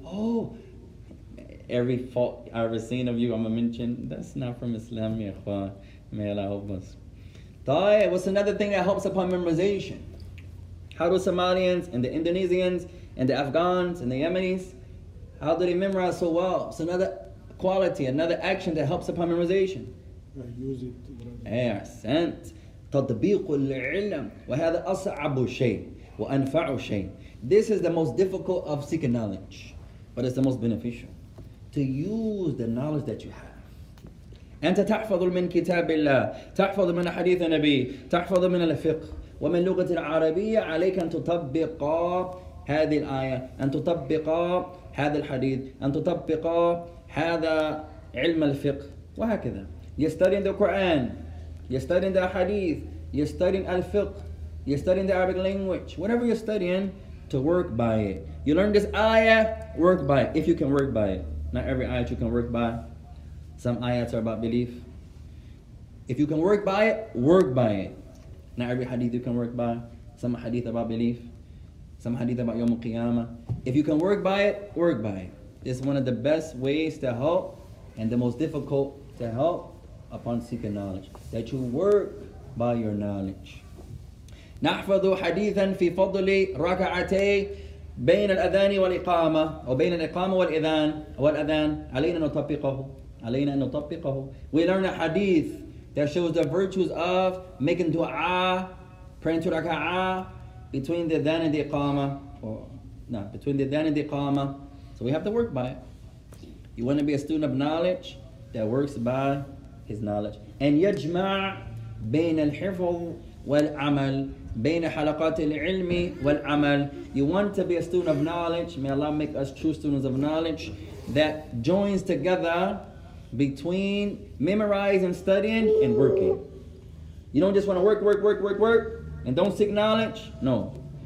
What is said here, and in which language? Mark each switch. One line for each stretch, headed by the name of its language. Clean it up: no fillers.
English: Oh, every fault I've ever seen of you, I'm going to mention. That's not from Islam,
Arabic: ya ikhwan.
English: May Allah help us.
Arabic: طيب,
English: what's another thing that helps upon memorization? How do Somalians and the Indonesians and the Afghans and the Yemenis, how do they memorize so well? It's another quality, another action that helps upon memorization. Use it.
Arabic: تطبيق العلم وهذا أصعب شيء وأنفع شيء.
English: This is the most difficult of seeking knowledge, but it's the most beneficial. To use the knowledge that you have.
Arabic: أنت تحفظ من كتاب الله, تحفظ من حديث النبي, تحفظ من الفقه ومن لغة العربية, عليك أن تطبق هذه الآية, أن تطبق هذا الحديث, أن تطبق هذا علم الفقه وهكذا.
English: You're studying the Quran, you're studying the Hadith, you're studying al-Fiqh, you're studying the Arabic language, whatever you're studying, to work by it. You learn this ayah, work by it, if you can work by it. Not every ayah you can work by. Some ayahs are about belief. If you can work by it, work by it. Not every hadith you can work by. Some hadith about belief. Some hadith about Yawm al-Qiyamah. If you can work by it, work by it. It's one of the best ways to help and the most difficult to help upon seeking knowledge. That you work by your knowledge.
Arabic: نحفظ حديثا في فضل ركعتي بين الأذان والإقامة أو بين الإقامة والإذان والأذان علينا نطبقه علينا نطبقه.
English: We learn a hadith that shows the virtues of making dua, praying to raka'a between the Adhan and the Iqama. Between the Adhan and the Iqama. So we have to work by it. You want to be a student of knowledge that works by his knowledge. And
Arabic: يجمع بين الحفظ والعمل بين حلقات العلم والعمل.
English: You want to be a student of knowledge. May Allah make us true students of knowledge that joins together between memorizing, studying, and working. You don't just want to work, and don't seek knowledge. No.